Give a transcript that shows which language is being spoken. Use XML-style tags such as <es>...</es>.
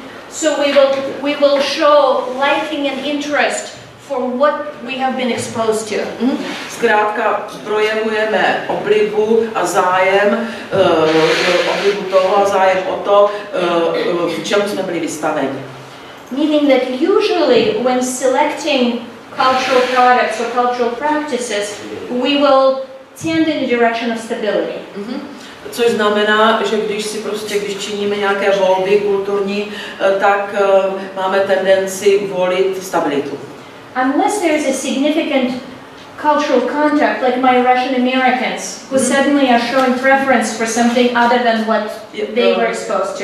<en>So we will show liking and interest for what we have been exposed to.</en> <cs>Zkrátka projevujeme oblibu a zájem oblibu toho a zájem o to, v čem jsme byli vystaveni.</cs> <en>Meaning that usually when selecting cultural products or cultural practices, we will tend in the direction of stability.</en> <cs>Což znamená, že když činíme nějaké volby kulturní, tak máme tendenci volit stabilitu.</cs> <en>Unless there is a significant cultural contact, like my Russian Americans, who suddenly are showing preference for something other than what they were exposed to.</en>